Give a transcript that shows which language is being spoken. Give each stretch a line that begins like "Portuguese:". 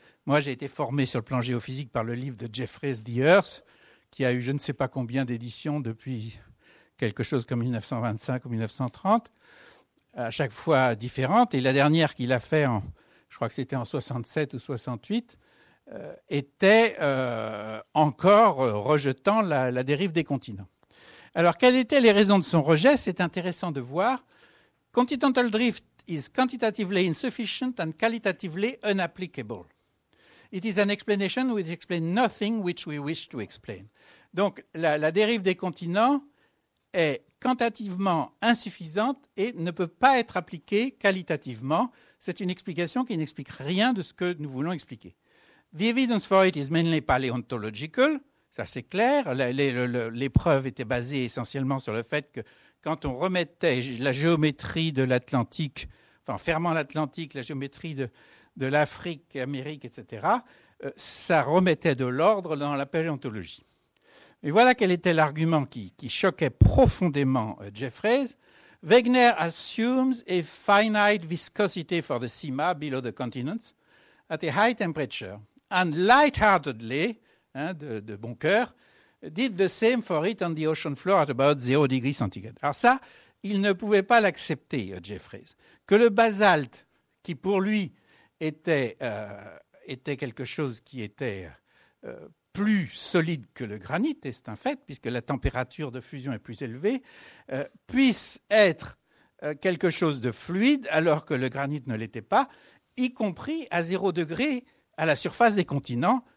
French: Moi, j'ai été formé sur le plan géophysique par le livre de Jeffreys, The Earth, qui a eu je ne sais pas combien d'éditions depuis quelque chose comme 1925 ou 1930, à chaque fois différentes. Et la dernière qu'il a fait, je crois que c'était en 67 ou 68, était encore rejetant la dérive des continents. Alors, quelles étaient les raisons de son rejet? C'est intéressant de voir.
English: Continental drift is quantitatively insufficient and qualitatively inapplicable. It is an explanation which explains nothing which we wish to explain.
French: Donc, la dérive des continents est quantitativement insuffisante et ne peut pas être appliquée qualitativement. C'est une explication qui n'explique rien de ce que nous voulons expliquer.
English: The evidence for it is mainly paleontological.
French: Ça, c'est clair. Les preuves étaient basées essentiellement sur le fait que quand on remettait la géométrie de l'Atlantique, enfin, fermant l'Atlantique, la géométrie de l'Afrique, Amérique, etc., ça remettait de l'ordre dans la paléontologie. Et voilà quel était l'argument qui choquait profondément Jeffreys.
English: Wegener assumes a finite viscosity for the sima below the continents at a high temperature. And lightheartedly,
French: de bon cœur,
English: did the same for it on the ocean floor at about 0 degrees centigrade.
French: Alors ça, il ne pouvait pas l'accepter, Jeffreys, que le basalte, qui pour lui était quelque chose qui était plus solide que le granit, et c'est un fait, puisque la température de fusion est plus élevée, puisse être quelque chose de fluide, alors que le granit ne l'était pas, y compris à 0 degré à la surface des continents.